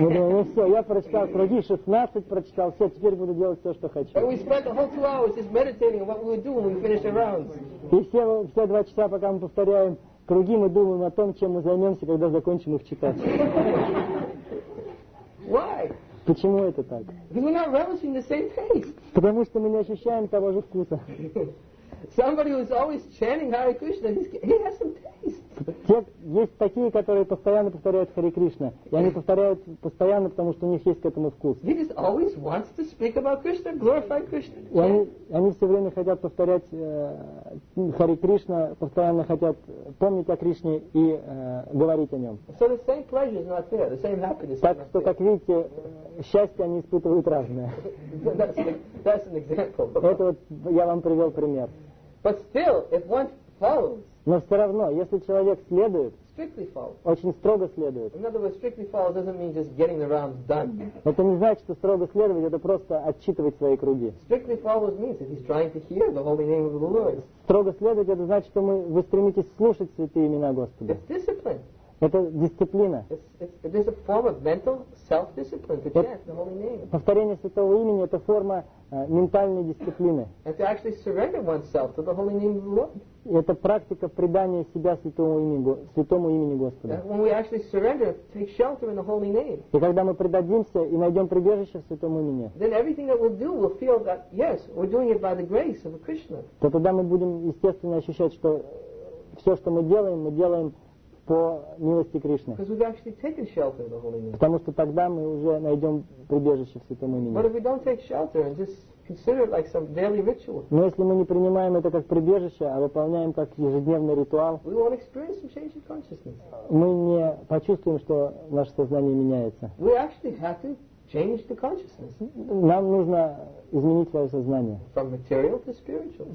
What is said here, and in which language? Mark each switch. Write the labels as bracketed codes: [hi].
[ru] Ну все, я прочитал круги 16, прочитал все, теперь буду делать все, что хочу. [en] But we spent the whole 2 hours just meditating on what we would do when we finish the rounds. [ru] И все два часа, пока мы повторяем круги, мы думаем о том, чем мы займемся, когда закончим их читать. [en] Why? [ru] Почему это так? [en] Because we're not relishing the same taste. [ru] Потому что мы не ощущаем того же вкуса. [en] Somebody who's always chanting Hare Krishna, he has some taste. [ru] Есть такие, которые постоянно повторяют Хари Кришна. И они повторяют постоянно, потому что у них есть к этому вкус. [en] He just always wants to speak about Krishna, glorify Krishna. [ru] Они все время хотят повторять Хари Кришна, постоянно хотят помнить о Кришне и говорить о нем. [en] So the same pleasure is not there, the same happiness. [ru] Так что, как видите, счастье они испытывают разное. [en] That's an example. [ru] Это вот я вам привел пример. [en] But still, if one follows. [ru] Но все равно, если человек следует, [en] strictly follows. [ru] Очень строго следует. [en] In other words, strictly follows doesn't mean just getting the rounds done. [ru] Это не значит, что строго следовать, это просто отчитывать свои круги. [en] Strictly follows means that he's trying to hear the holy name of the Lord. [ru] Строго следовать, это значит, что вы стремитесь слушать святые имена Господа. [en] It's discipline. [ru] Это дисциплина. [en] It's a form of mental self-discipline to chant the holy name. [ru] Повторение святого имени — это форма ментальной дисциплины. [en] And to actually surrender oneself to the holy name of the Lord. [ru] И это практика предания себя святому имени Господа. [en] When we actually surrender, take shelter in the holy name. [ru] И когда мы предадимся и найдем прибежище в святом имени. [en] Then everything that we'll do, we'll feel that yes, we're doing it by the grace of Krishna. [ru] То тогда мы будем естественно ощущать, что все, что мы делаем по милости Кришны. [en] Because we've actually taken shelter in the holy name. [ru] Потому что тогда мы уже найдем прибежище в святом имени. [en] But if we don't take shelter and just consider it like some daily ritual. [ru] Но если мы не принимаем это как прибежище, а выполняем как ежедневный ритуал, [en] we won't experience some change in consciousness. [ru] Мы не почувствуем, что наше сознание меняется. [en] We actually have to change the consciousness. [ru] Нам нужно изменить свое сознание. [en] From material to spiritual.